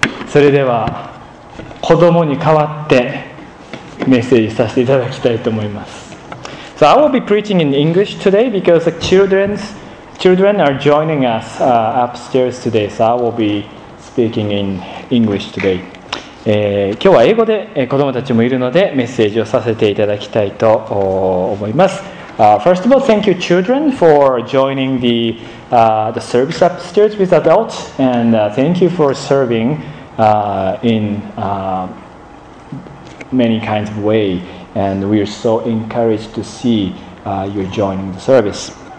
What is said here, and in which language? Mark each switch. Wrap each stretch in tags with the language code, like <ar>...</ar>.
<ja>それでは子供に代わってメッセージさせていただきたいと思います。</ja> <en>So I will be preaching in English today because the children are joining us upstairs today. So I will be speaking in English today.</en> <ja>今日は英語で子供たちもいるのでメッセージをさせていただきたいと思います。</ja> <en>First of all, thank you, children, for joining the service upstairs with adults, and thank you for serving many kinds of way. And we are so encouraged to see you joining the service.</en>